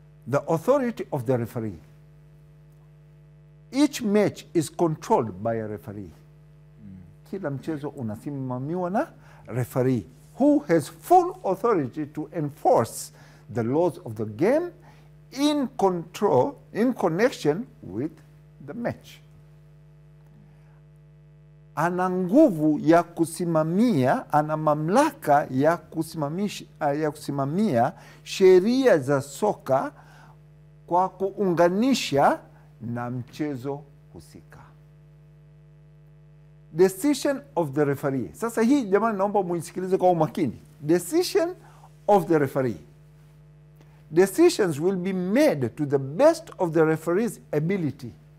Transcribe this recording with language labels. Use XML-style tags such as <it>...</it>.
<en>The authority of the referee. Each match is controlled by a referee.</en> <sw>Kila mchezo unasimamiwa na</sw> <en>referee, who has full authority to enforce the laws of the game in control, in connection with the match.</en> <sw>Ana nguvu ya kusimamia, ana mamlaka ya kusimamia sheria za soka kwa kuunganisha na mchezo husika.</sw> <en>Decision of the referee.</en> <sw>Sasa hii jamani, naomba muisikilize kwa umakini.</sw> <en>Decision of the referee. Decisions will be made to the best of the referee's ability.</en>